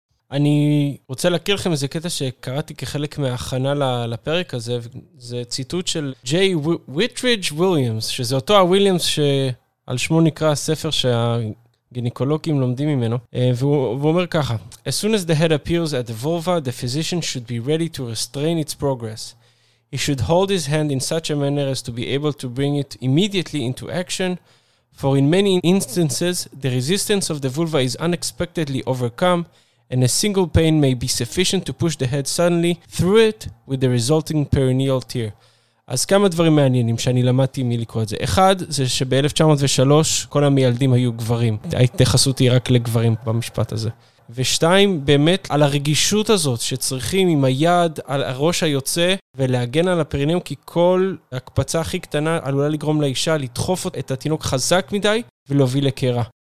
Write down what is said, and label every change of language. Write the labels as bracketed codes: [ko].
[he] אני רוצה להכיר לכם איזה קטע שקראתי כחלק מההכנה לפרק הזה, זה ציטוט של ג'יי ויטריג' וויליאמס, שזה אותו הוויליאמס שעל שמו נקרא הספר שהגניקולוגים לומדים ממנו, והוא אומר ככה, [en] As soon as the head appears at the vulva, the physician should be ready to restrain its progress. He should hold his hand in such a manner as to be able to bring it immediately into action, for in many instances, the resistance of the vulva is unexpectedly overcome, and a single pain may be sufficient to push the head suddenly through it with the resulting perineal tear. [he] אז כמה דברים מעניינים שאני למדתי מי לקרוא את זה. אחד, זה שב-1903 כל המילדים היו גברים. ההתייחסות היא רק לגברים במשפט הזה. ושתיים, באמת על הרגישות הזאת שצריכים עם היד על הראש היוצא ולהגן על הפרינאום, כי כל הקפצה הכי קטנה עלולה לגרום לאישה לדחוף את התינוק חזק מדי ולהוביל לקרע.